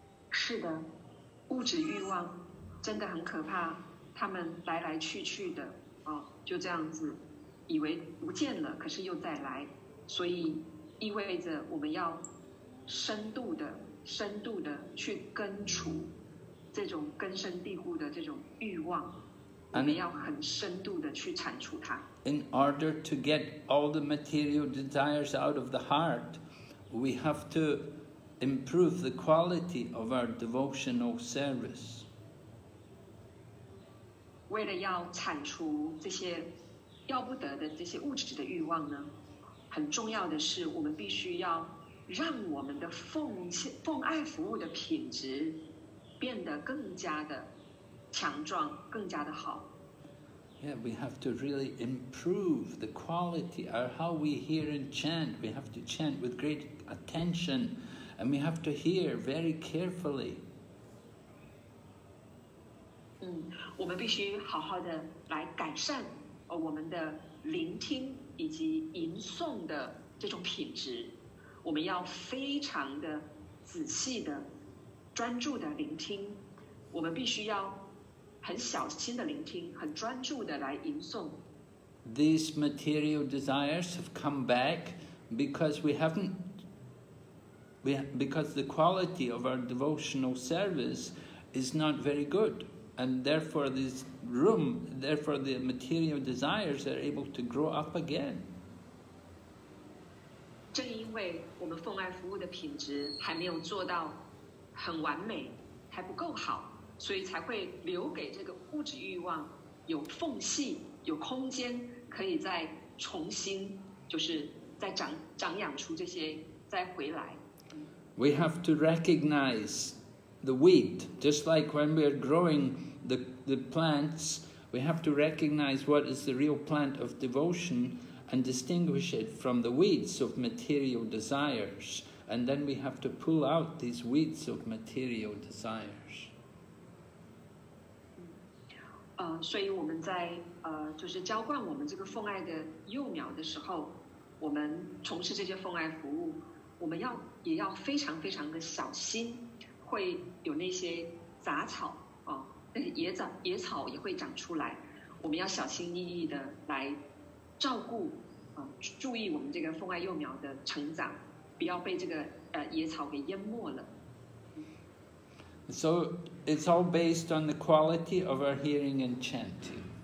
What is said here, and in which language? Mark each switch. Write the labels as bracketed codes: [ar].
[zh] 是的，物质欲望真的很可怕，他们来来去去的，就这样子，以为不见了，可是又再来，所以意味着我们要深度的、深度的去根除这种根深蒂固的这种欲望， [en] and、 [zh] 我们要很深度的去铲除它。 [en] In order to get all the material desires out of the heart, we have to improve the quality of our devotional service. [zh] 为了要铲除这些要不得的这些物质的欲望呢，很重要的是我们必须要让我们的奉爱服务的品质变得更加的强壮，更加的好。 [en] Yeah, we have to really improve the quality of how we hear and chant. We have to chant with great attention and we have to hear very carefully. [zh] 我们必须好好的来改善我们的聆听以及吟诵的这种品质，我们要非常的仔细的专注的聆听，我们必须要很小心的聆听，很专注的来吟诵。 [en] These material desires have come back because we haven't because the quality of our devotional service is not very goodAnd therefore, this room, therefore, the material desires are able to grow up again. [zh] 正因为我们奉爱服务的品质还没有做到很完美，还不够好，所以才会留给这个物质欲望有缝隙、有空间，可以再重新，就是再长养出这些，再回来。 [en] We have to recognize the weed, just like when we are growing. The plants, we have to recognize what is the real plant of devotion and distinguish it from the weeds of material desires. And then we have to pull out these weeds of material desires. [zh] 所以我们在就是浇灌我们这个奉爱的幼苗的时候，我们从事这些奉爱服务，我们要也要非常非常的小心，会有那些杂草。野草也会长出来，我们要小心翼翼的来照顾，注意我们这个奉爱幼苗的成长，不要被这个野草给淹没了。 [en] So it's all based on the quality of our hearing and chanting.